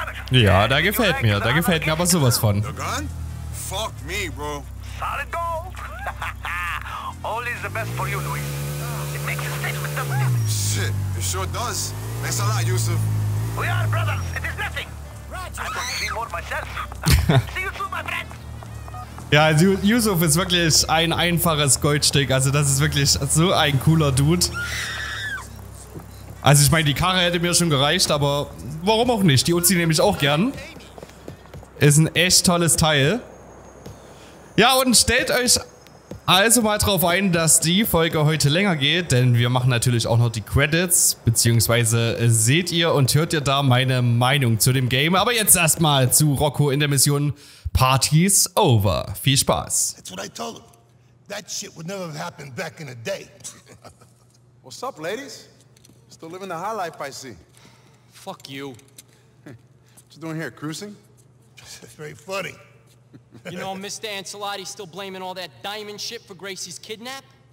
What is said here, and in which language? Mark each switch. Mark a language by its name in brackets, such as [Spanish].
[German] Ja, da gefällt mir. Da gefällt mir aber sowas von. [English] The gun? Fuck me, bro. Solid gold. All is the best for you, Luis. It makes a statement, doesn't it? Shit, it sure does. Thanks a lot, Yusuf. We are brothers. It is nothing. I'm going to see more myself. See you soon, my friend. [German] Ja, Yusuf ist wirklich ein einfaches Goldstück. Also das ist wirklich so ein cooler Dude. Also ich meine, die Karre hätte mir schon gereicht, aber warum auch nicht? Die Uzi nehme ich auch gern. Ist ein echt tolles Teil. Ja, und stellt euch also mal drauf ein, dass die Folge heute länger geht, denn wir machen natürlich auch noch die Credits, beziehungsweise seht ihr und hört ihr da meine Meinung zu dem Game. Aber jetzt erstmal zu Rocco in der Mission Party's Over. Viel Spaß. [English] That's what I told him. That shit would never have happened back in the day. What's up, ladies? Still living the high life, I see. Fuck you. What you doing here, cruising? That's very funny. You know, Mr. Ancelotti still blaming all that diamond shit for Gracie's kidnap?